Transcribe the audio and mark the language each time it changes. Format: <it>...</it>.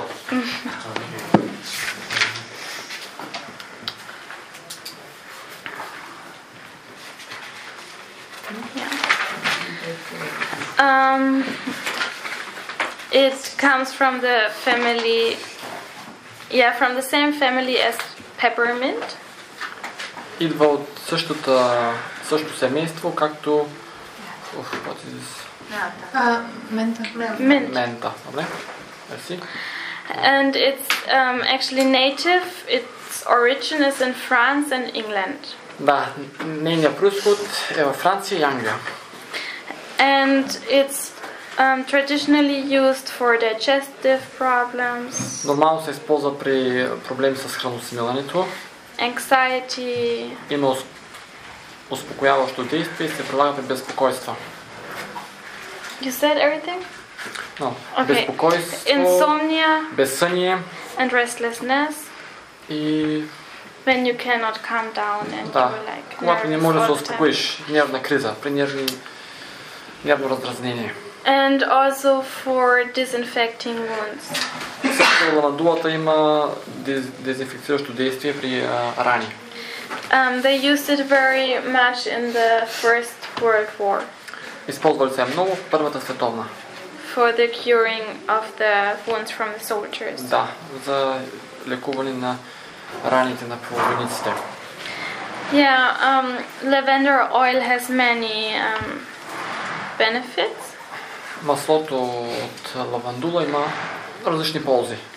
<en>Yeah. It comes from the family Yeah, from the same family as peppermint.</en> <bg>Идва от същата, същото семейство, както...</bg> <en>Ох, what is this?</en> <bg>Мента. Мента, добре.</bg> <en>And it's actually native, its origin is in France and England.</en> <bg>Да, нейният произход е във Франция и Англия.</bg> <en>And it's traditionally used for digestive problems.</en> <bg>Нормално се използва при проблеми с храносмилането.</bg> <en>Anxiety.</en> <bg>Има успокояващо действие и се прилага при безпокойства.</bg> <en>You said everything? No. Okay.</en> <bg>Безпокойство,</bg> <en>insomnia,</en> <bg>безсъние</bg> <en>and restlessness.</en> <bg>И</bg> <en>when you cannot calm down and</en> <bg>да,</bg> <en>you like</en> <bg>когато не можеш да се успокоиш, нервна криза, при нервно раздразнение.</bg> <en>And also for disinfecting wounds.</en> <bg>Също на дулата има дезинфекциращо действие при рани.</bg> <en>They used it very much in the First World War.</en> <bg>Използвали се много в Първата световна.</bg> <en>For the curing of the wounds from the soldiers.</en> <bg>Да, за лекуване на раните на войниците.</bg> <en>Yeah, lavender oil has many benefits.</en> <bg>Маслото от лавандула има различни ползи.</bg>